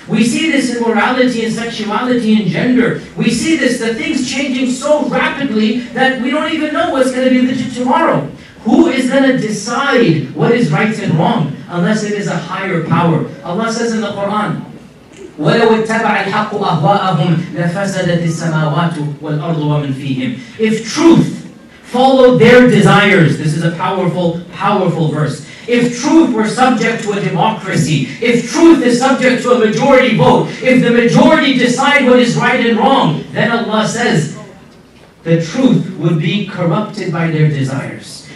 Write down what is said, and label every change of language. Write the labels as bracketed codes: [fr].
[en] We see this in morality and sexuality and gender. We see this, the things changing so rapidly that we don't even know what's going to be legit tomorrow. Who is going to decide what is right and wrong unless it is a higher power? Allah says in the Quran, [ar] ولو اتبع الحق أهواءهم لفسدت السماوات والأرض ومن فيهم. [en] If truth followed their desires, this is a powerful, powerful verse. If truth were subject to a democracy, if truth is subject to a majority vote, if the majority decide what is right and wrong, then Allah says, the truth would be corrupted by their desires.